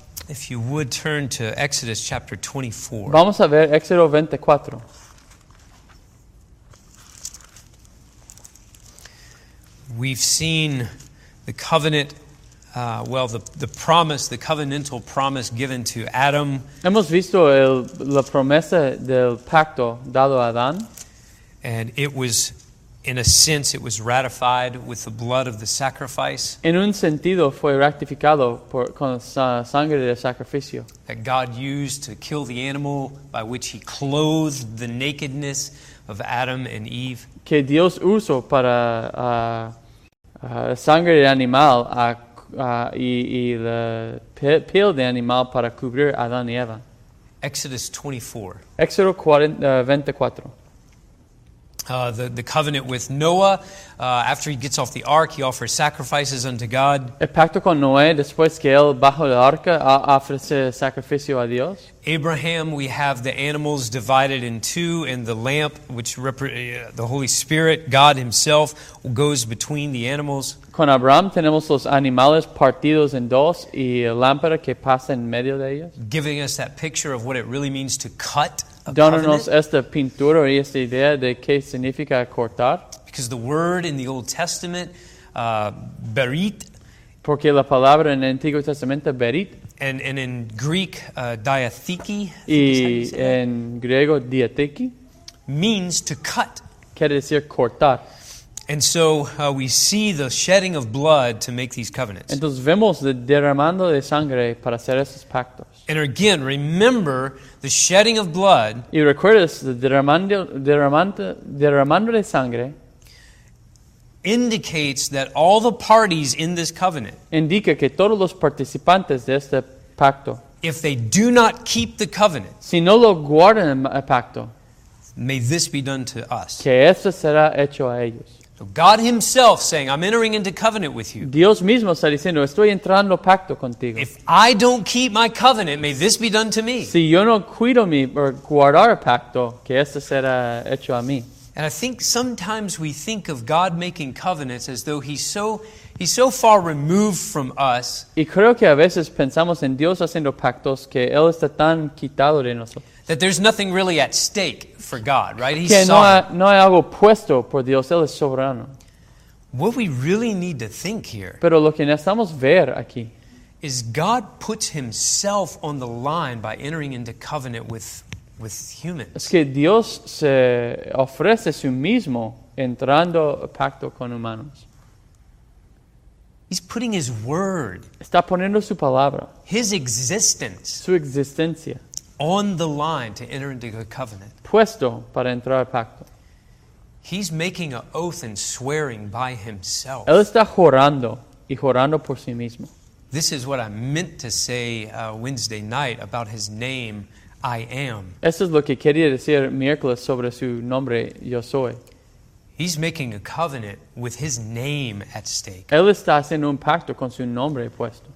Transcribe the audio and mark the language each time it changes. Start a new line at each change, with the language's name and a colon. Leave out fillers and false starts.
English: If you would turn to Exodus chapter 24.
Spanish: Vamos a ver Éxodo 24.
English: We've seen the covenant, the promise, the covenantal promise given to Adam.
Spanish: Hemos visto la promesa del pacto dado a Adán.
English: And it was, in a sense, it was ratified with the blood of the sacrifice.
Spanish: En un sentido, fue ratificado con la sangre del sacrificio.
English: That God used to kill the animal by which He clothed the nakedness of Adam and Eve.
Spanish: Que Dios usó para sangre del animal y la piel del animal para cubrir a Adán y Eva.
English: Exodus 24.
Spanish: Éxodo 24.
English: The covenant with Noah, after he gets off the ark, he offers sacrifices unto God.
Spanish: El pacto con Noé, después que él bajo el arca, ofrece sacrificio a Dios.
English: Abraham, we have the animals divided in two, and the lamp, which the Holy Spirit, God Himself, goes between the animals.
Spanish: Con Abraham tenemos los animales partidos en dos, y el lámpara que pasa en medio de ellos.
English: Giving us that picture of what it really means to cut.
Spanish: Dándonos esta pintura y esta idea de qué significa cortar.
English: Because the word in the Old Testament, berit.
Spanish: Porque la palabra en el Antiguo Testamento, berit.
English: And in Greek, diatheke.
Spanish: Y en griego, diatheke.
English: Means to cut.
Spanish: Quiere decir cortar.
English: And so we see the shedding of blood to make these covenants.
Spanish: Entonces vemos el derramando de sangre para hacer esos pactos.
English: And again, remember the shedding of blood.
Spanish: Y recuerdas el derramando de sangre.
English: Indicates that all the parties in this covenant.
Spanish: Indica que todos los participantes de este pacto.
English: If they do not keep the covenant.
Spanish: Si no lo guardan el pacto.
English: May this be done to us.
Spanish: Que esto será hecho a ellos.
English: So God himself saying, I'm entering into covenant with you.
Spanish: Dios mismo está diciendo, estoy entrando pacto contigo.
English: If I don't keep my covenant, may this be done to me.
Spanish: Si yo no cuido mi or guardar pacto, que esto será hecho a mí.
English: And I think sometimes we think of God making covenants as though he's so far removed from us.
Spanish: Y creo que a veces pensamos en Dios haciendo pactos que él está tan quitado de nosotros.
English: That there's nothing really at stake for God, right? He's sovereign.
Spanish: No hay algo puesto por Dios. Él es soberano.
English: What we really need to think here.
Spanish: Pero lo que necesitamos ver aquí.
English: Is God puts himself on the line by entering into covenant with humans.
Spanish: Es que Dios se ofrece su mismo entrando a pacto con humanos.
English: He's putting his word.
Spanish: Está poniendo su palabra.
English: His existence.
Spanish: Su existencia.
English: On the line to enter into a covenant.
Spanish: Puesto para entrar al pacto.
English: He's making an oath and swearing by himself.
Spanish: Él está jurando y jurando por sí mismo.
English: This is what I meant to say Wednesday night about his name, I am.
Spanish: Eso es lo que quería decir miércoles sobre su nombre, yo soy.
English: He's making a covenant with his name at stake.
Spanish: Él está haciendo un pacto con su nombre puesto.